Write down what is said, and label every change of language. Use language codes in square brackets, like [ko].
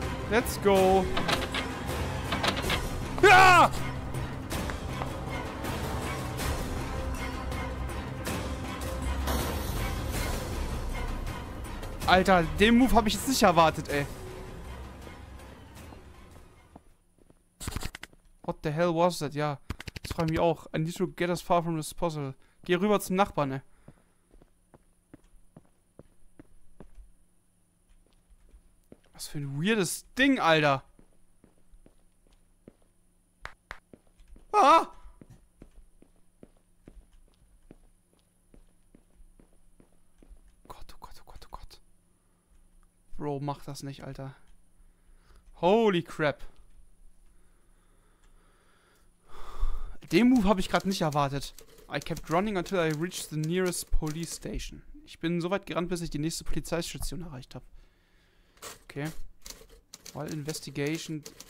[en] Let's go. [de] Ja! Alter, den Move habe ich jetzt nicht erwartet, ey. [en] What the hell was that? [de] Ja, das freut mich auch. [en] I need to get as far from this puzzle. [de] Geh rüber zum Nachbarn, ey. Was für ein weirdes Ding, Alter. Ah! Gott, oh Gott, oh Gott, oh Gott. Bro, mach das nicht, Alter. [en] Holy crap. [de] Den Move habe ich gerade nicht erwartet. [en] I kept running until I reached the nearest police station. [de] Ich bin so weit gerannt, bis ich die nächste Polizeistation erreicht habe. [en] Okay. While investigation...